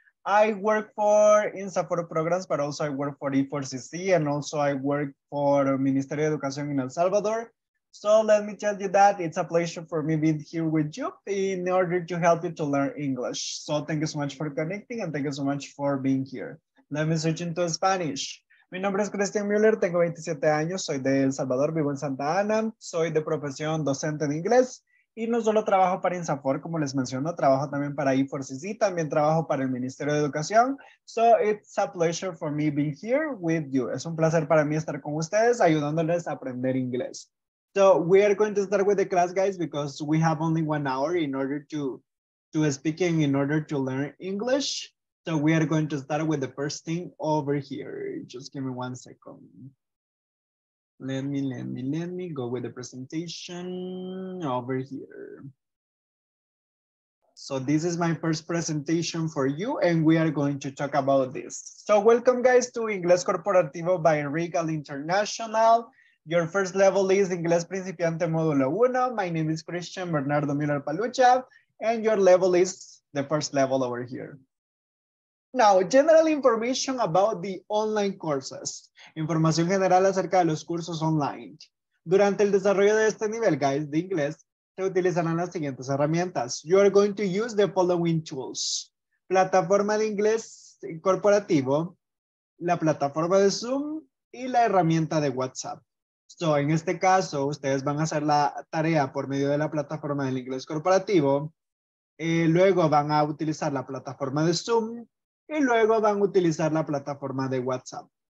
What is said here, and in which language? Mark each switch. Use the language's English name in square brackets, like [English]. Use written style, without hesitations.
[English] I work for INSAFOR programs, but also I work for E4CC, and also I work for Ministerio de Educación in El Salvador. So let me tell you that it's a pleasure for me being here with you in order to help you to learn English. So thank you so much for connecting and thank you so much for being here. Let me switch into Spanish. [Spanish] Mi nombre es Cristian Müller, tengo 27 años, soy de El Salvador, vivo en Santa Ana, soy de profesión docente de inglés y no solo trabajo para INSAFOR, como les menciono, trabajo también para E4CC, también trabajo para el Ministerio de Educación. [English] So it's a pleasure for me being here with you. [Spanish] Es un placer para mí estar con ustedes ayudándoles a aprender inglés. [English] So we are going to start with the class, guys, because we have only 1 hour in order to speak and in order to learn English. So we are going to start with the first thing over here. Just give me 1 second. Let me go with the presentation over here. So this is my first presentation for you, and we are going to talk about this. So welcome, guys, to Inglés Corporativo by REGAL International. Your first level is Inglés Principiante Módulo 1. My name is Christian Bernardo Miller Palucha, and your level is the first level over here. Now, general information about the online courses. [Spanish] Información general acerca de los cursos online. Durante el desarrollo de este nivel, guys, de inglés, se utilizarán las siguientes herramientas. [English] You are going to use the following tools. [Spanish] Plataforma de inglés corporativo, la plataforma de Zoom y la herramienta de WhatsApp. So, en este caso, ustedes van a hacer la tarea por medio de la plataforma del inglés corporativo. Luego van a utilizar la plataforma de Zoom. Y luego van a utilizar la plataforma de WhatsApp.